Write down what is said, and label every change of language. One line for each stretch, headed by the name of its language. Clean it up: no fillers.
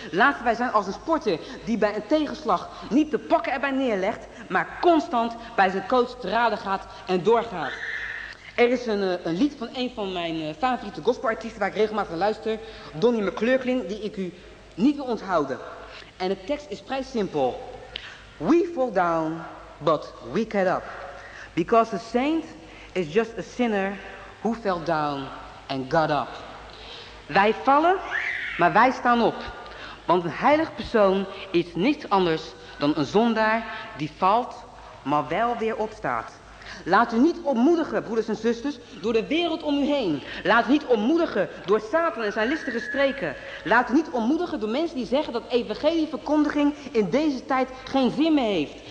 Dutch: Laten wij zijn als een sporter die bij een tegenslag niet de pakken erbij neerlegt, maar constant bij zijn coach te raden gaat en doorgaat. Er is een lied van een van mijn favoriete gospelartiesten waar ik regelmatig naar luister, Donnie McClurkin, die ik u niet wil onthouden. En de tekst is vrij simpel.
English: We fall down, but we get up. Because a saint is just a sinner who fell down and got up.
Dutch: Wij vallen, maar wij staan op. Want een heilig persoon is niets anders dan een zondaar die valt, maar wel weer opstaat. Laat u niet ontmoedigen, broeders en zusters, door de wereld om u heen. Laat u niet ontmoedigen door Satan en zijn listige streken. Laat u niet ontmoedigen door mensen die zeggen dat evangelieverkondiging in deze tijd geen zin meer heeft.